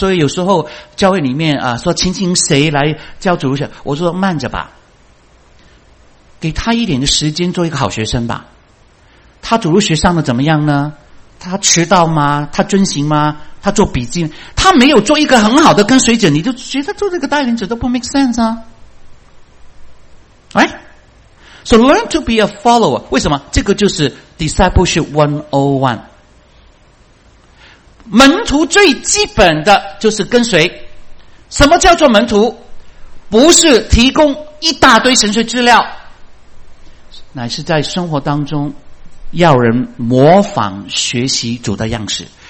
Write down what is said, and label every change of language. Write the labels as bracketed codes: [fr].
[zh] 所以有时候教会里面啊，说请请谁来教主日，我说慢着吧，给他一点的时间做一个好学生吧。他主日学上的怎么样呢？他迟到吗？他遵行吗？他做笔记，他没有做一个很好的跟随者，你就觉得做这个带领者都不 [en] make sense [zh] 啊。 [en] So learn to be a follower， [zh] 为什么？这个就是 [en] discipleship 101。 [zh] 门徒最基本的就是跟随。什么叫做门徒？不是提供一大堆神学资料，乃是在生活当中要人模仿学习主的样式。